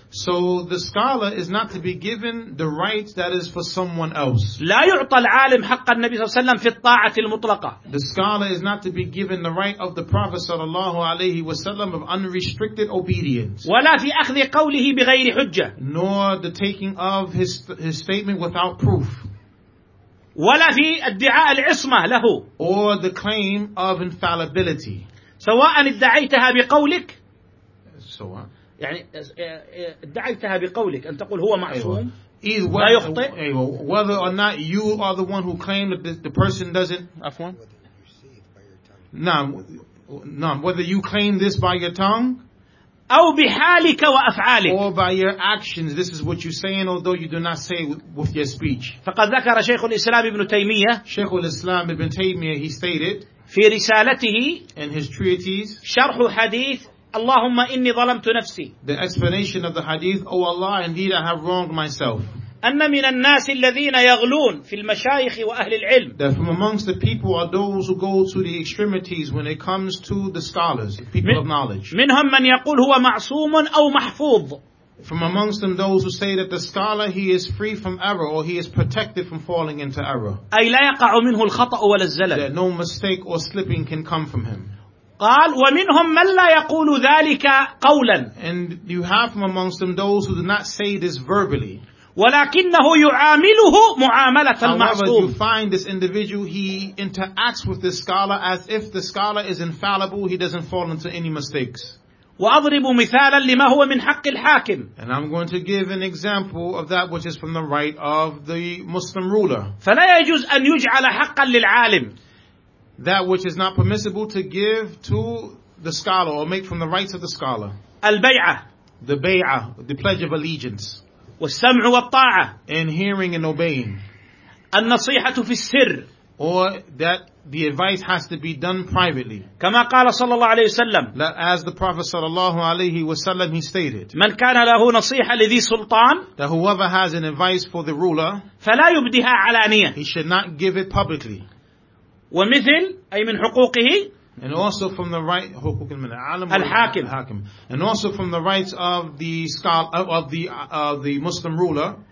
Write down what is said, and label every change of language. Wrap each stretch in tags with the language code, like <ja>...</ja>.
<en>So the scholar is not to be given the right that is for someone else.</en> <ar>لا يعطى العالم حق النبي صلى الله عليه وسلم في الطاعة المطلقة.</ar> <en>The scholar is not to be given the right of the Prophet</en> <ar>صلى الله عليه وسلم</ar> <en>of unrestricted obedience.</en> <ar>ولا في أخذ قوله بغير حجة.</ar> <en>Nor the taking of his statement without proof.</en> <ar>ولا في ادعاء العصمة له.</ar> <en>Or the claim of infallibility.</en> <ar>سواء ادعيتها بقولك سواء يعني ادعيتها بقولك أن تقول هو معصوم أيوة. لا يخطئ أيوة.</ar> <en>Whether or not you are the one who claimed that the person doesn't</en> <ar>أفهم نعم</ar> <en>whether you claim this by your tongue</en> <ar>أو بحالك وأفعالك</ar> <en>or by your actions this is what you're saying although you do not say with your speech.</en> <ar>فقد ذكر شيخ الإسلام ابن تيمية</ar> <en>شيخ الإسلام ابن تيمية he stated</en> <ar>في رسالته</ar> <en>in his treatise,</en> <ar>شرح حديث اللهم إني ظلمت نفسي</ar> <en>the explanation of the hadith oh Allah indeed I have wronged myself</en> <ar>أن من الناس الذين يغلون في المشايخ وأهل العلم</ar> <en>that from amongst the people are those who go to the extremities when it comes to the scholars the people of knowledge</en> <ar>منهم من يقول هو معصوم أو محفوظ</ar> <en>from amongst them those who say that the scholar he is free from error or he is protected from falling into error</en> <ar>أي لا يقع منه الخطأ ولا الزلل</ar> <en>that no mistake or slipping can come from him</en> <ar>قال ومنهم من لا يقول ذلك قولا</ar> <en>and you have from amongst them those who do not say this verbally</en> <ar>ولكنه يعامله معاملة المعصوم</ar> <en>however you find this individual he interacts with this scholar as if the scholar is infallible he doesn't fall into any mistakes</en> <ar>وأضرب مثالا لما هو من حق الحاكم.</ar> <en>And I'm going to give an example of that which is from the right of the Muslim ruler.</en> <ar>فلا يجوز أن يجعل حقا للعالم.</ar> <en>That which is not permissible to give to the scholar or make from the rights of the scholar.</en> <ar>البيعة.</ar> <en>The بيعة, the pledge of allegiance.</en> <ar>والسمع والطاعة.</ar> <en>And hearing and obeying.</en> <ar>النصيحة في السر.</ar> <en>Or that the advice has to be done privately.</en> <ar>كما قال صلى الله عليه وسلم.</ar> <en>As the Prophet</en> <ar>صلى الله عليه وسلم</ar> <en>he stated.</en> <ar>من كان له نصيحة لذي سلطان.</ar> <en>That whoever has an advice for the ruler.</en> <ar>فلا يبديها علانية.</ar> <en>He should not give it publicly.</en> <ar>ومثل أي من حقوقه.</ar> <en>And also from the right</en> <ar>حقوق من العالم. الحاكم. الحاكم.</ar> <en>And also from the rights of the scholar of the Muslim ruler.</en>